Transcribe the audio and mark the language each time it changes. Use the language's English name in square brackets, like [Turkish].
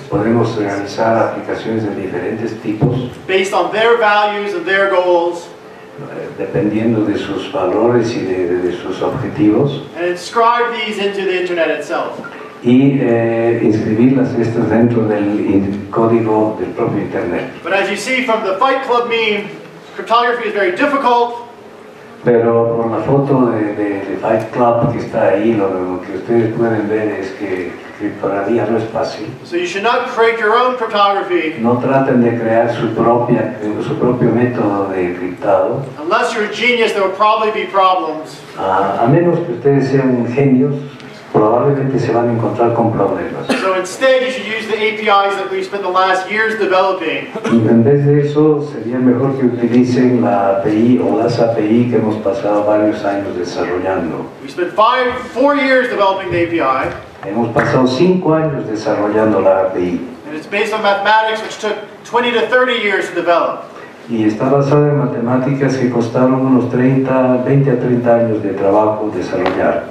[Spanish] Podemos realizar aplicaciones de diferentes tipos. [English] Based on their values and their goals. [Spanish] Dependiendo de sus valores y de sus objetivos. [English] And inscribe these into the internet itself. [Spanish] Y inscribirlas estas dentro del código del propio internet. [English] But as you see from the Fight Club meme, cryptography is very difficult. [Spanish] Pero por la foto de Fight Club que está ahí, lo que ustedes pueden ver es que criptografía no es fácil. [English] So you should not create your own cryptography. [Spanish] No traten de crear su propio método de criptado. [English] Unless you're a genius, there will probably be problems. [Spanish] A menos que ustedes sean genios, probablemente se van a encontrar con problemas. [English] So instead, you should use the APIs that we've spent the last years developing. [Spanish] Y en vez de eso, sería mejor que utilicen la API o las API que hemos pasado varios años desarrollando. [English] We spent four years developing the API. [Spanish] Hemos pasado 5 años desarrollando la API. [English] And it's based on mathematics, which took 20 to 30 years to develop. [Spanish] Y está basada en matemáticas que costaron unos 20 a 30 años de trabajo desarrollar.